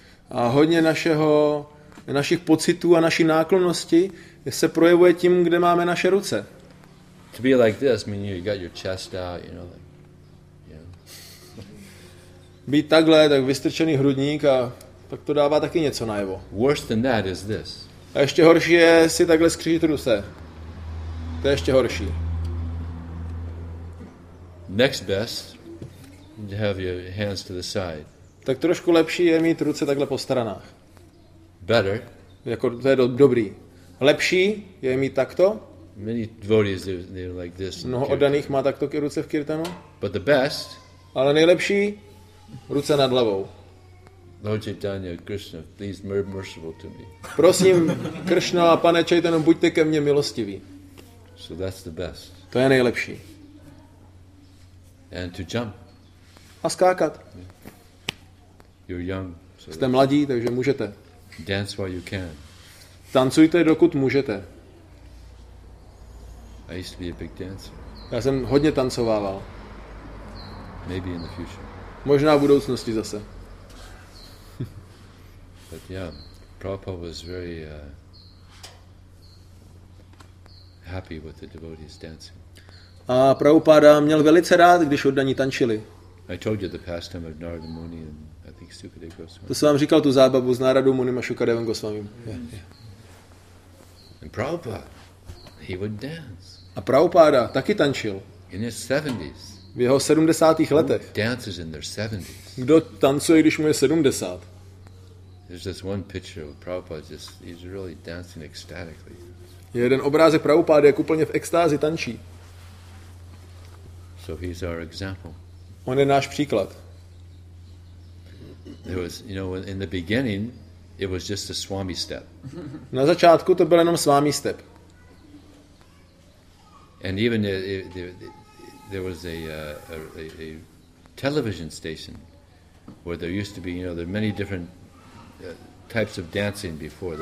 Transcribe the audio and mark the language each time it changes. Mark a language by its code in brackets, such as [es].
[cs] A hodně našich pocitů a naší náklonnosti se projevuje tím, kde máme naše ruce. [en] To be like this, I mean, you got your chest out, you know, like, yeah. [cs] Být takhle, tak vystrčený hrudník, a tak to dává taky něco najevo. [en] Worse than that is this. [cs] A ještě horší je si takhle skřížit ruce. To je ještě horší. [en] Next best, have your hands to the side. [cs] Tak trošku lepší je mít ruce takhle po stranách. [en] Better. [cs] Jako to je dobrý. Lepší je mít takto. [en] Many devotees they like this. [cs] Mnoho oddaných má takto ruce v kirtanu. [en] But the best. [cs] Ale nejlepší ruce nad hlavou. [en] Lord Chaitanya, Krishna, please be merciful to me. [cs] Prosím, Krishna a pane Chaitanya, buďte ke mně milostiví. [en] So that's the best. [cs] To je nejlepší. [en] And to jump. [cs] A skákat. [en] Yeah. You're young. [cs] So jste mladí, takže můžete. [en] Dance while you can. [cs] Tancujte, dokud můžete. [en] I used to be a big dancer. [cs] Já jsem hodně tancovával. [en] Maybe in the future. [cs] Možná v budoucnosti zase. [en] But yeah, Prabhupada was very happy with the devotees dancing. [cs] A Prabhupada měl velice rád, když oddaní tančili. [en] I told you the pastime of Narada Muni and I think Sukadeva Goswami. [cs] To jsem vám říkal, tu zábavu s Narada Muni a Sukadevem Goswami. [en] And Prabhupada, he would dance. [cs] A Prabhupada taky tančil. [en] In his 70s. [cs] V jeho 70. letech. [en] Who dances in their 70s? [cs] Kdo tancuje, když mu je 70? [en] There's this one picture of Prabhupada, just he's really dancing ecstatically. [cs] Je jeden obrázek Prabhupády, jak úplně v extázi tančí. [en] So he's our example. [cs] On je náš příklad. [en] There was, you know, in the beginning, it was just a swami step. [cs] Na začátku to byl jenom swami step. [en] And even there was a television station where there used to be, you know, there are many different types of dancing before.